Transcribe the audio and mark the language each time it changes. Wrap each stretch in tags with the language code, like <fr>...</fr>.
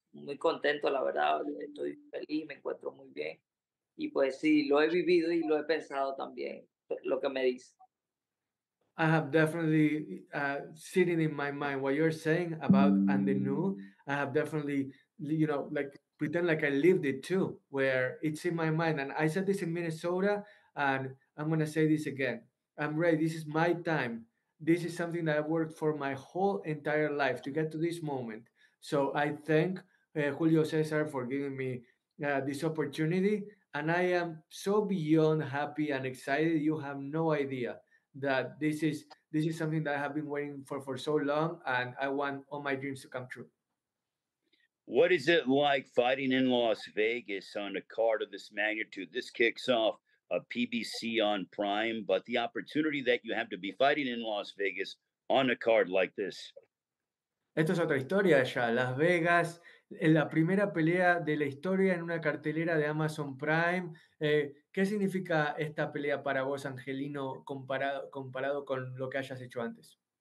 <es>Muy contento, la verdad, estoy feliz, me encuentro muy bien. Y pues sí, lo he vivido y lo he pensado también, lo que me dice.</es> <en>I have definitely sitting in my mind what you're saying about "and the new." I have definitely, you know, like pretend like I lived it too, where it's in my mind. And I said this in Minnesota, and I'm going to say this again. I'm ready. This is my time. This is something that I've worked for my whole entire life to get to this moment. So I thank Julio Cesar for giving me this opportunity. And I am so beyond happy and excited. You have no idea that this is something that I have been waiting for so long. And I want all my dreams to come true. What is it like fighting in Las Vegas on a card of this magnitude? This kicks off a PBC on Prime, but the opportunity that you have to be fighting in Las Vegas on a card like this.</en> <es>Esto es otra historia ya. Las Vegas, la primera pelea de la historia en una cartelera de Amazon Prime. ¿Qué significa esta pelea para vos, Angelino, comparado con lo que hayas hecho antes?</es>